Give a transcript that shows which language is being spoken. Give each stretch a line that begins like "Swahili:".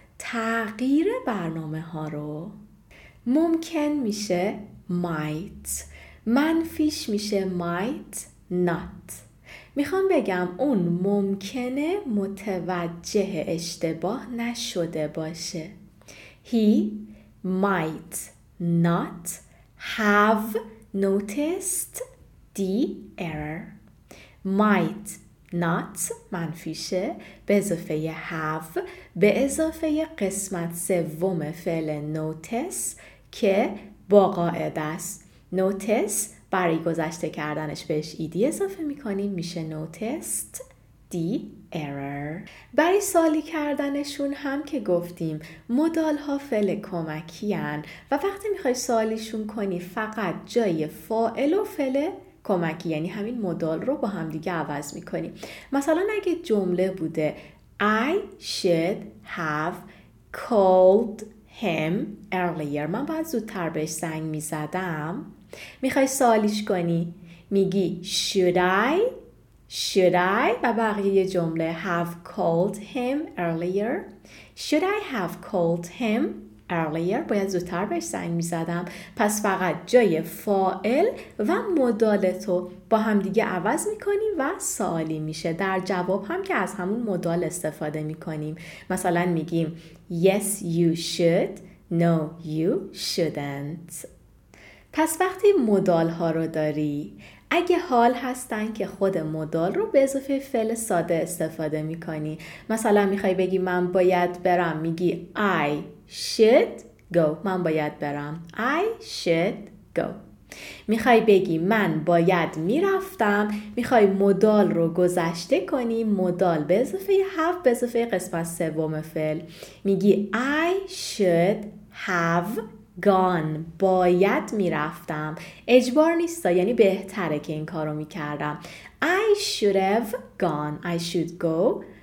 Persian: تغییر برنامه ها رو. ممکن میشه might. منفیش میشه might not. میخوام بگم اون ممکنه متوجه اشتباه نشده باشه.
English: He might not have noticed the error. Might not
Persian: منفیشه به اضافه have به اضافه قسمت سوم فعل notice که با قاعده است. Notice برای گذشته کردنش بهش ایدی اضافه میکنیم میشه
English: noticed the error.
Persian: برای سوالی کردنشون هم که گفتیم مدال ها فعل کمکی هن و وقتی میخوای سوالیشون کنی فقط جای فاعل و فعل کمکی یعنی همین مدال رو با هم دیگه عوض میکنی.
English: مثلا اگه جمله بوده I should have called him earlier.
Persian: من باید زودتر بهش زنگ میزدم. میخوای سوالیش کنی میگی
English: should I
Persian: و بقیه جمله
English: have called him earlier. Should I have called him earlier؟
Persian: باید زودتر بهش زنگ میزدم. پس فقط جای فاعل و مدالتو با هم دیگه عوض میکنی و سوالی میشه. در جواب هم که از همون مدال استفاده میکنیم.
English: مثلا میگیم yes you should, no you shouldn't.
Persian: پس وقتی مدال ها رو داری، اگه حال هستن که خود مدال رو به اضافه فعل ساده استفاده میکنی، مثلا میخوای بگی من باید برم، میگی
English: I should go.
Persian: من باید برم.
English: I should go.
Persian: میخوای بگی من باید میرفتم، میخوای مدال رو گذشته کنی، مدال به اضافه have به اضافه قسمت سوم فعل، میگی
English: I should have gone.
Persian: باید میرفتم. اجبار نیستا، یعنی بهتره که این کارو میکردم.
English: I should have gone. I should go.